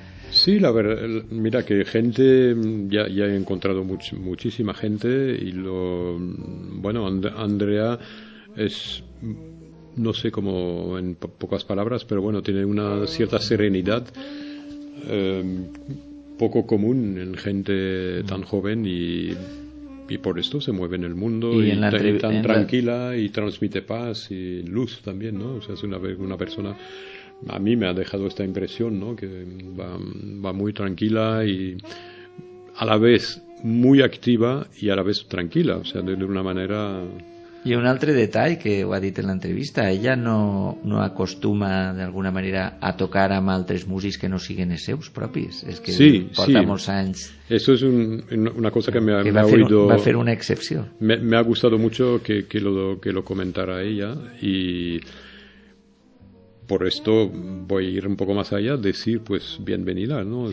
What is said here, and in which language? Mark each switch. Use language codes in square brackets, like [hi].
[es] Sí, la verdad, mira que gente, ya he encontrado muchísima gente y lo, bueno, Andrea es, no sé cómo en pocas palabras, pero bueno, tiene una cierta serenidad poco común en gente tan joven y por esto se mueve en el mundo y tan tranquila y transmite paz y luz también, ¿no? O sea, es una persona... A mí me ha dejado esta impresión, ¿no? Que va muy tranquila y a la vez muy activa y a la vez tranquila, o sea, de una manera... [ca] Y un altre detall que ho ha dit en l'entrevista, ella no acostuma d'alguna manera a tocar amb altres músics que no siguen els seus propis, és que sí, porta molts anys. [es] Eso es una cosa que me ha [ca] oído... Va fer una excepció. [es] Me ha gustado mucho que lo comentara ella y... Por esto voy a ir un poco más allá, decir pues bienvenida, ¿no?